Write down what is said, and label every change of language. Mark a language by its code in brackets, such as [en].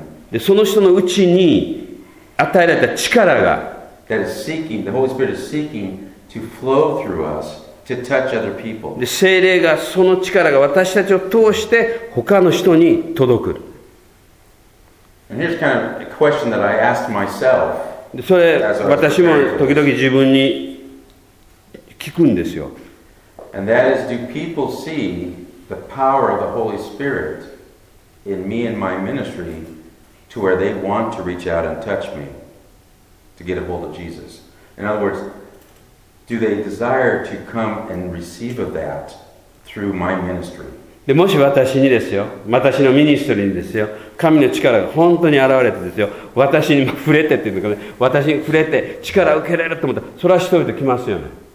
[ja] で、その人のうちに与えられた力が聖霊がその力が私たちを通して他の人に届く。 [en] And here's kind of a question that I asked myself. [ja] それ私も時々自分に聞くんですよ。 [en] And that is, do people see the power of the Holy Spirit in me and my ministry to where they want to reach out and touch me to get a hold of Jesus. In other words, do they desire to come and receive of that through my ministry? [ja] でもし私にですよ、私のミニストリーにですよ、神の力が本当に現れてですよ、私に触れてっていうのかね、私に触れて力を受けれると思ったら、それは人々来ますよね。